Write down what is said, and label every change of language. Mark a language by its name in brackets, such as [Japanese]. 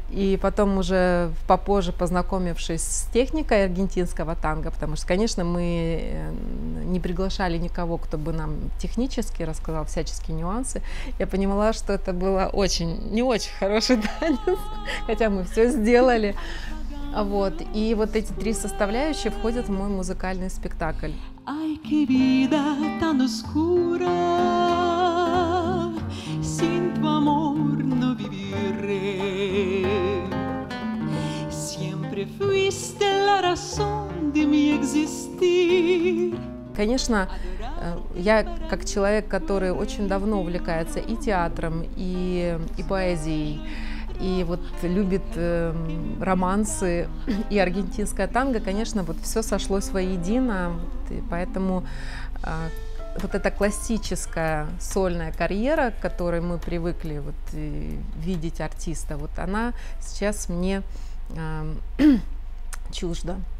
[Russian] И потом уже попозже, познакомившись с техникой аргентинского танго, потому что, конечно, мы не приглашали никого, кто бы нам технически рассказал всяческие нюансы, я понимала, что это было не очень хороший танец, хотя мы все сделали. Вот. И вот эти три составляющие входят в мой музыкальный спектакль. [Spanish] Ай, que vida tan oscura, sin tu amor no viviré. Siempre fuiste la razón de mi existir. [Russian] Конечно, я как человек, который очень давно увлекается и театром, и поэзией, и вот любит романсы и аргентинское танго, конечно, вот все сошлось воедино, поэтому вот эта классическая сольная карьера, к которой мы привыкли вот, видеть артиста, вот она сейчас мне чужда.